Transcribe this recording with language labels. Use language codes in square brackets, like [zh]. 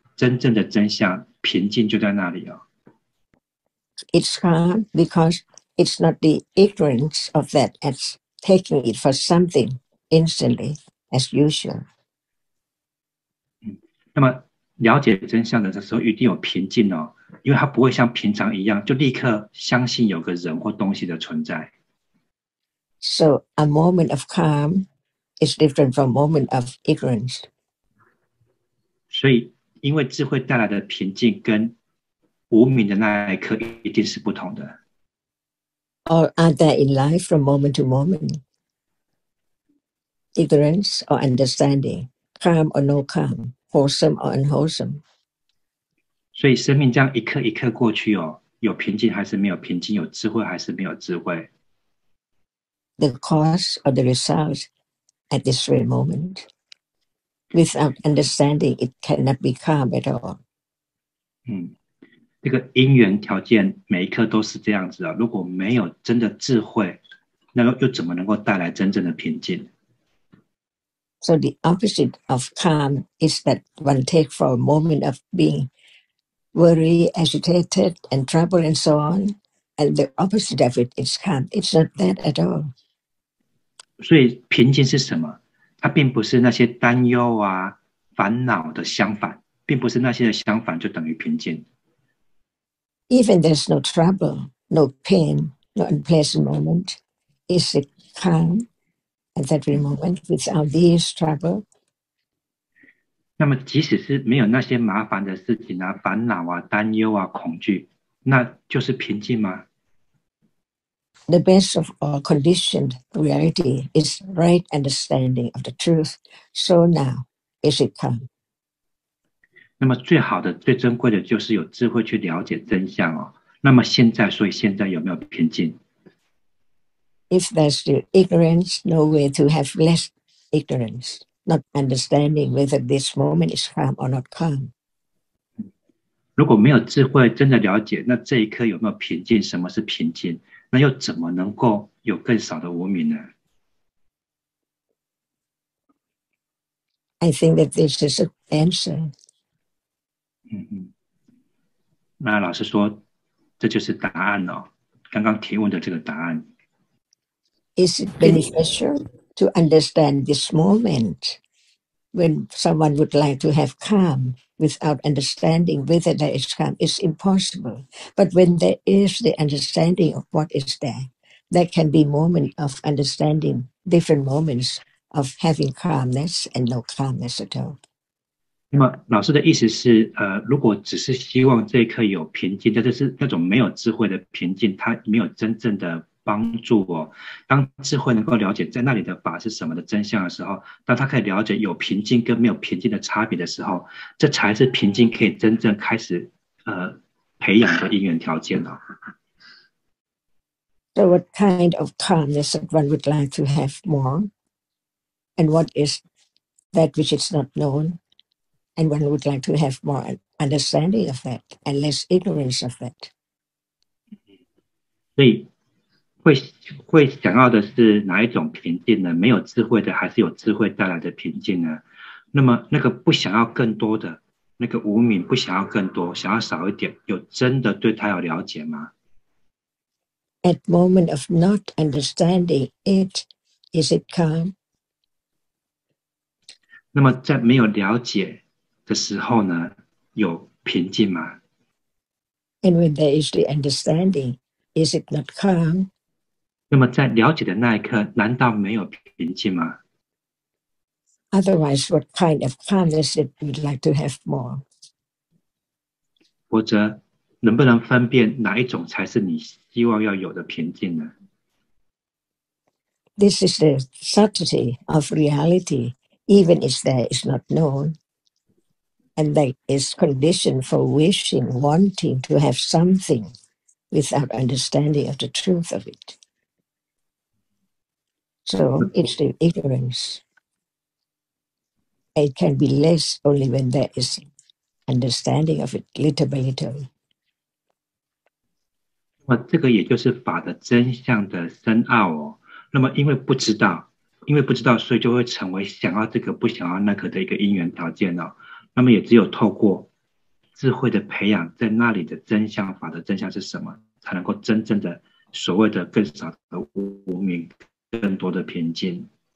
[zh] 真正的真相，平静就在那里哦。 [en] It's calm because it's not the ignorance of that as taking it for something instantly as usual. [zh] 那么了解真相的时候，一定有平静哦，因为它不会像平常一样就立刻相信有个人或东西的存在。 [en] So a moment of calm is different from a moment of ignorance. [zh] 所以。因为智慧带来的平静跟无明的那一刻一定是不同的。 [en] Or are there in life from moment to moment? Ignorance or understanding, calm or no calm, wholesome or unwholesome. [zh] 所以生命这样一刻一刻过去哦，有平静还是没有平静，有智慧还是没有智慧。 [en] The cause or the result at this very moment. Without understanding, it cannot be calm at all. [zh] 这个因缘条件每一刻都是这样子啊。如果没有真的智慧，那又怎么能够带来真正的平静 [en] ？So the opposite of calm is that one takes for a moment of being worried, agitated, and troubled, and so on. And the opposite of it is calm. It's not that at all. [zh] 所以平静是什么？它并不是那些担忧啊、烦恼的相反，并不是那些的相反就等于平静。 [en] Even there's no trouble, no pain, no unpleasant moment, is it calm at that very moment without these trouble? [zh] 那么，即使是没有那些麻烦的事情啊、烦恼啊、担忧啊、恐惧，那就是平静吗？ [en] The best of all conditioned reality is right understanding of the truth. So now, is it calm? [zh] 那么最好的、最珍贵的就是有智慧去了解真相哦。那么现在，所以现在有没有平静 [en] ？If there's still ignorance, no way to have less ignorance, not understanding whether this moment is calm or not calm. [zh] 如果没有智慧，真的了解，那这一刻有没有平静？什么是平静？那又怎么能够有更少的无明呢 [en] ？I think that this is an answer. [zh] 那老师说，这就是答案哦。刚刚提问的这个答案。 [en] Is it beneficial to understand this moment when someone would like to have calm without understanding whether there is calm is impossible. But when there is the understanding of what is there, there can be moment of understanding, different moments of having calmness and no calmness at all. [zh] 那么老师的意思是，如果只是希望这一刻有平静，但是那种没有智慧的平静，它没有真正的帮助我。当智慧能够了解在那里的法是什么的真相的时候，当他可以了解有平静跟没有平静的差别的时候，这才是平静可以真正开始，培养的因缘条件了。 [en] So what kind of calmness that one would like to have more? And what is that which is not known? And one would like to have more understanding of that and less ignorance of that. [zh] 所以会想要的是哪一种平静呢？没有智慧的还是有智慧带来的平静呢？那么那个不想要更多的，那个无明不想要更多，想要少一点，有真的对他有了解吗？ [en] At moment of not understanding it, is it calm? [zh] 那么在没有了解的时候呢，有平静吗？ [en] And when there is the understanding, is it not calm? [zh] 那么在了解的那一刻，难道没有平静吗？ [en] Otherwise, what kind of calmness would you like to have more? [zh] 或者能不能分辨哪一种才是你希望要有的平静呢？ [en] This is the subtlety of reality, even if there is not known, and that is condition for wishing, wanting to have something without understanding of the truth of it. So it's the ignorance. It can be less only when there is understanding of it little by little. [zh] 那这个也就是法的真相的深奥哦。那么因为不知道，所以就会成为想要这个不想要那个的一个因缘条件哦。那么也只有透过智慧的培养，在那里的真相，法的真相是什么，才能够真正的所谓的更少的无明，更多的偏见。